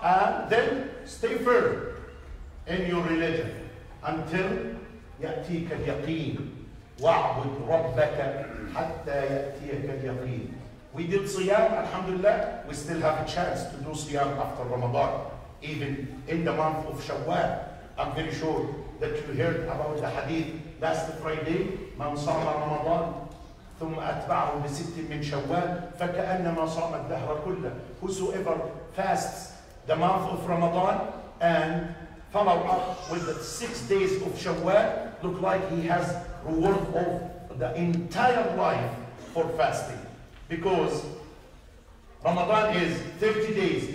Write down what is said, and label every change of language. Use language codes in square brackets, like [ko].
[en] And then stay firm in your religion until [ar] يَأْتِيكَ الْيَقِينَ. وَاعْبُدْ رَبَّكَ حَتَّى يَأْتِيكَ الْيَقِينَ. [en] We did siyam, alhamdulillah. We still have a chance to do siyam after Ramadan, even in the month of Shawwal. I'm very sure that you heard about the hadith last Friday, [ar] من صام رمضان ثم أتبعه بست من شوال فكأنما صام الدهر كله. [en] Whosoever fasts the month of Ramadan and follow up with the 6 days of Shawwal, look like he has reward of the entire life for fasting. Because Ramadan is 30 days.